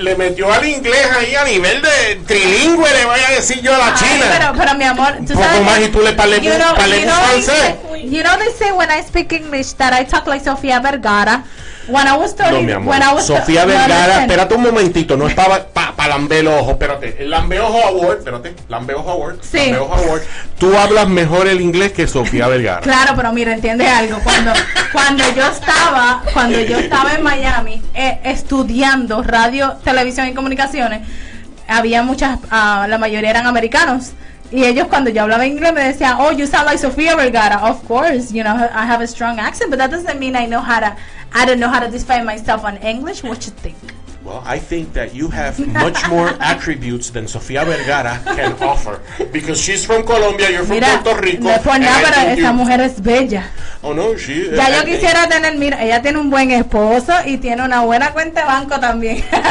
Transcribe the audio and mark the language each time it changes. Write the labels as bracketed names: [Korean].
[Spanish] Le metió al inglés ahí a nivel de trilingüe, le voy a decir yo a la China. Pero mi amor, tú sabes. Poco más y tú le parles francés. [English] You know they say when I speak English that I talk like Sofía Vergara. When I was studying, [Spanish] no, mi amor, [English] when I was [Spanish] Sofía Vergara, espérate un momentito, no es para lambeo ojo, espérate, lambeo ojo award. Tú hablas mejor el inglés que Sofía Vergara. Claro, pero mira, entiende algo, cuando yo estaba en Miami estudiando radio, televisión y comunicaciones, había muchas, la mayoría eran americanos. Y ellos cuando yo hablaba inglés me decían, [English] oh, you sound like Sofía Vergara. Of course, you know, I have a strong accent, but that doesn't mean I don't know how to define myself on English. What you think? Well, I think that you have much more attributes than Sofía Vergara can offer. Because she's from Colombia, you're from Puerto Rico. [Spanish] Mira, no es por nada, pero esa mujer es bella. [English] Oh, no, she... [Spanish] Ya yo quisiera tener, mira, ella tiene un buen esposo y tiene una buena cuenta de banco también.